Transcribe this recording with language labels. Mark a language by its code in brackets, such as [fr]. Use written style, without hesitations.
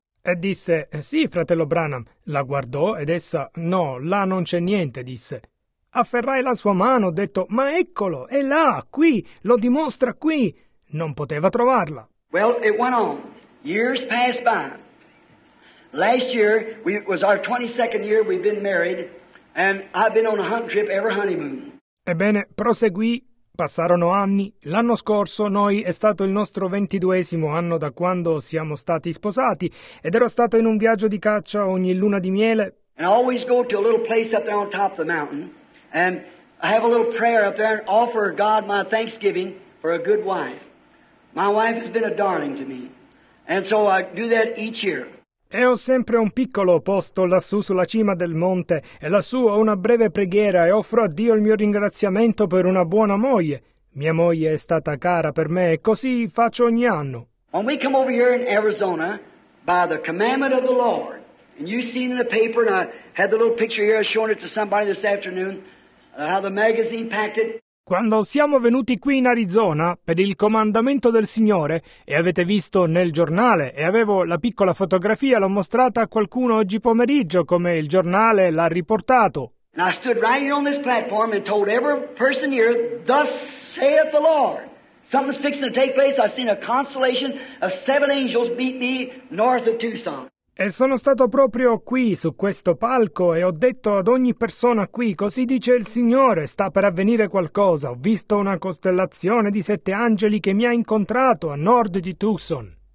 [it] E disse, sì, fratello Branham. La guardò ed essa, no, là non c'è niente, disse. Afferrai la sua mano, ho detto, ma eccolo, è là, qui, lo dimostra qui. Non poteva trovarla. [en] Well, it went on. Years passed by. Last year, it was our 22nd year we've been married, and I've been on a hunting trip every honeymoon. [it] Ebbene, proseguì. Passarono anni. L'anno scorso noi è stato il nostro 22esimo anno da quando siamo stati sposati ed ero stato in un viaggio di caccia ogni luna di miele. [en] And I always go to a little place up there on top of the mountain and I have a little prayer up there and offer God my thanksgiving for a good wife. My wife has been a darling to me. And so I do that each year. [it] E ho sempre un piccolo posto lassù sulla cima del monte e lassù ho una breve preghiera e offro a Dio il mio ringraziamento per una buona moglie. Mia moglie è stata cara per me e così faccio ogni anno. [en] When we come over here in Arizona by the commandment of the Lord, and you've seen in the paper, and I had the little picture here, I showed it to somebody this afternoon, how the magazine packed it. [it] Quando siamo venuti qui in Arizona per il comandamento del Signore e avete visto nel giornale e avevo la piccola fotografia, l'ho mostrata a qualcuno oggi pomeriggio come il giornale l'ha riportato. [en] And I stood right here on this platform and told every person here, thus saith the Lord. Something's fixing to take place. I've seen a constellation of seven angels meet me north of Tucson. [it] E sono stato proprio qui, su questo palco, e ho detto ad ogni persona qui, così dice il Signore, sta per avvenire qualcosa. Ho visto una costellazione di sette angeli che mi ha incontrato a nord di Tucson.